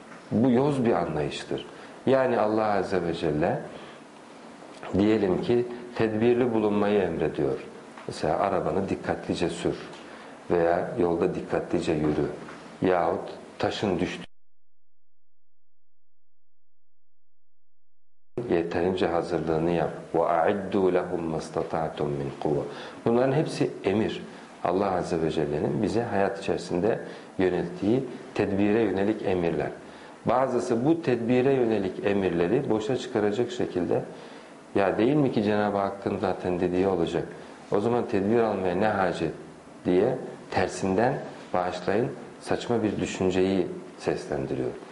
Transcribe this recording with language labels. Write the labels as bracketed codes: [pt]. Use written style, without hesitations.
[tr] Bu yoz bir anlayıştır. Yani Allah Azze ve Celle diyelim ki tedbirli bulunmayı emrediyor. Mesela arabanı dikkatlice sür veya yolda dikkatlice yürü yahut taşın düştü. Yeterince hazırlığını yap. [ar] وَاَعِدُّوا لَهُمْ مَسْتَطَعْتُمْ مِنْ قُوَّ [tr] Bunların hepsi emir. Allah Azze ve Celle'nin bize hayat içerisinde yönelttiği tedbire yönelik emirler. Bazısı bu tedbire yönelik emirleri boşa çıkaracak şekilde ya değil mi ki Cenab-ı Hakk'ın zaten dediği olacak. O zaman tedbir almaya ne hacet diye tersinden bağışlayın saçma bir düşünceyi seslendiriyor.